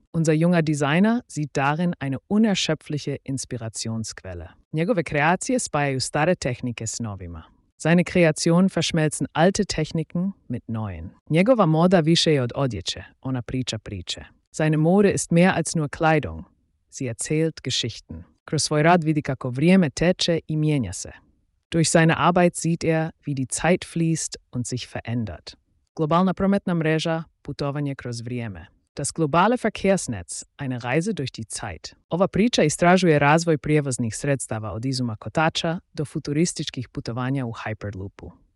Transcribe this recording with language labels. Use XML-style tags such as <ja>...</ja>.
<de>Unser junger Designer sieht darin eine unerschöpfliche Inspirationsquelle.</de> <hr>Njegove kreacije spajaju stare tehnike s novima.</hr> <de>Seine Kreationen verschmelzen alte Techniken mit neuen.</de> <hr>Njegova moda više je od odjeće, ona priča priče.</hr> <de>Seine Mode ist mehr als nur Kleidung. Sie erzählt Geschichten.</de> <hr>Kroz svoj rad vidi kako vrijeme teče i mijenja se.</hr> <de>Durch seine Arbeit sieht er, wie die Zeit fließt und sich verändert.</de> <hr>Globalna prometna mreža, putovanje kroz vrijeme.</hr> <de>Das globale Verkehrsnetz, eine Reise durch die Zeit.</de> <hr>Ova priča istražuje razvoj prijevoznih sredstava od izuma kotača do futurističkih putovanja u Hyperloopu.</hr>